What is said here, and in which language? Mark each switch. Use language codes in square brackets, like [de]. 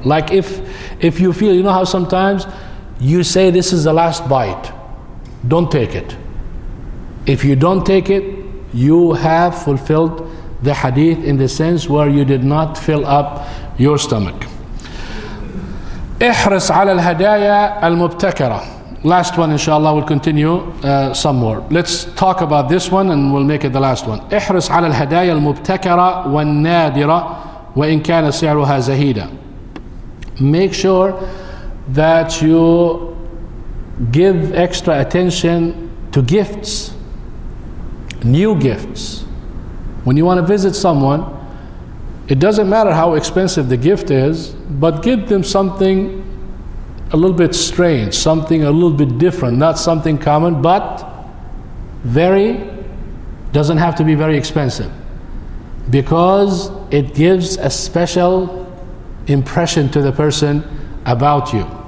[en] Like if you feel, you know how sometimes you say this is the last bite, don't take it. If you don't take it, you have fulfilled the hadith in the sense where you did not fill up your stomach. [ar] احرص على الهدايا المبتكرة. [en] Last one, inshallah, we'll continue some more. Let's talk about this one and we'll make it the last one. [ar] احرص على الهدايا المبتكرة والنادرة وإن كان سعرها زهيدا. [en] Make sure that you give extra attention to gifts, new gifts. When you want to visit someone, it doesn't matter how expensive the gift is, but give them something a little bit strange, something a little bit different, not something common, but very, doesn't have to be very expensive, because it gives a special impression to the person about you.